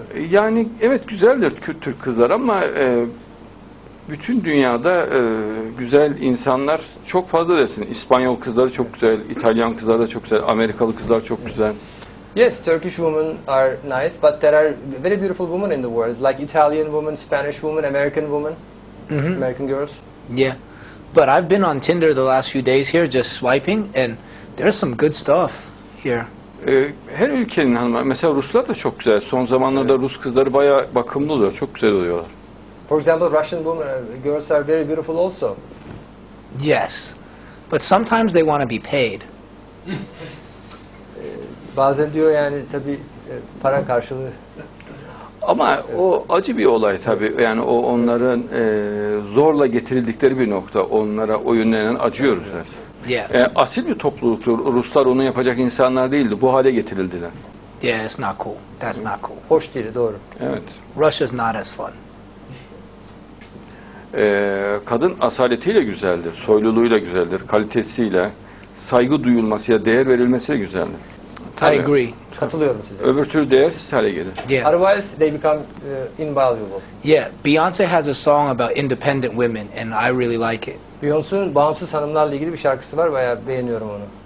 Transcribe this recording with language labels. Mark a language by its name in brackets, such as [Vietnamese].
[Turkish] Yani evet, güzeldir Türk kızlar ama bütün dünyada güzel insanlar çok fazla dersin. İspanyol kızları çok güzel, İtalyan kızları da çok güzel, Amerikalı kızlar çok güzel. [English] Yes, Turkish women are nice, but there are very beautiful women in the world, like Italian women, Spanish women, American women, mm-hmm. American girls. Yeah, but I've been on Tinder the last few days here, just swiping, and there's some good stuff here. [Turkish] Her ülkenin hanımlar, mesela Ruslar da çok güzel. Son zamanlarda Rus kızları bayağı bakımlı oluyor, çok güzel oluyorlar. [English] For example, Russian women, girls are very beautiful also. Yes, but sometimes they want to be paid. [Turkish] Bazen diyor yani tabii para karşılığı. Ama evet. O acı bir olay tabii. Yani o onların zorla getirildikleri bir nokta. Onlara oyunlanan acıyoruz biz. [English] Yeah. [Turkish] Yani asil bir topluluktur. Ruslar onu yapacak insanlar değildi. Bu hale getirildiler. [English] Yeah, it's not cool. That's not cool. [Turkish] Hoş değil, doğru. Evet. [English] Russia's not as fun. [Turkish] Kadın asaletiyle güzeldir, soyluluğuyla güzeldir, kalitesiyle, saygı duyulmasıyla, değer verilmesiyle güzeldir. Tabii. [English] I agree. [Turkish] Katılıyorum size. Öbür türlü değersiz hale gelir. [English] Yeah. Otherwise they become invaluable. Yeah, Beyonce has a song about independent women and I really like it. [Turkish] Beyonce'un bağımsız hanımlarla ilgili bir şarkısı var, bayağı beğeniyorum onu.